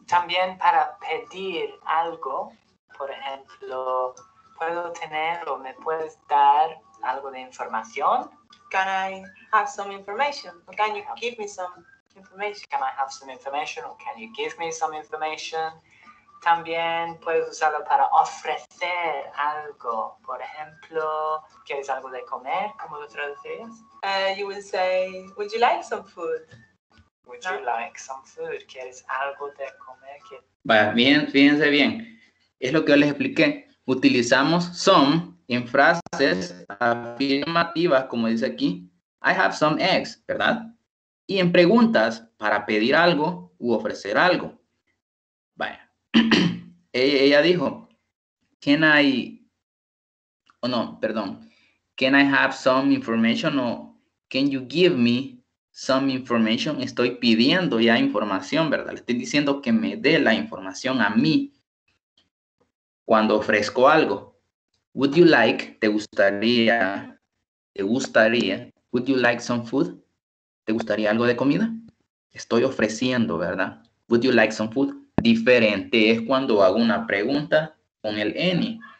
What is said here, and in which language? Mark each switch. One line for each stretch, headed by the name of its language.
Spanish: También para pedir algo, por ejemplo, ¿puedo tener o me puedes dar algo de información?
English: Can I have some information? Can you give me some information. Can I have some information, or can you give me some information?
Spanish: También puedes usarlo para ofrecer algo. Por ejemplo, ¿quieres algo de comer? ¿Cómo lo traducirías?
English: You would say, would you like some food? Would you like some food? ¿Quieres algo de comer?
Spanish: Vaya, bien, fíjense bien. Es lo que yo les expliqué. Utilizamos some en frases afirmativas, como dice aquí, I have some eggs, ¿verdad? Y en preguntas para pedir algo u ofrecer algo.
English: Vaya. Ella dijo, can I have some information, o can you give me some information?
Spanish: Estoy pidiendo ya información, ¿verdad? Le estoy diciendo que me dé la información a mí cuando ofrezco algo.
English: Would you like, would you like some food?
Spanish: ¿Te gustaría algo de comida? Estoy ofreciendo, ¿verdad? Would you like some food? Diferente es cuando hago una pregunta con el any.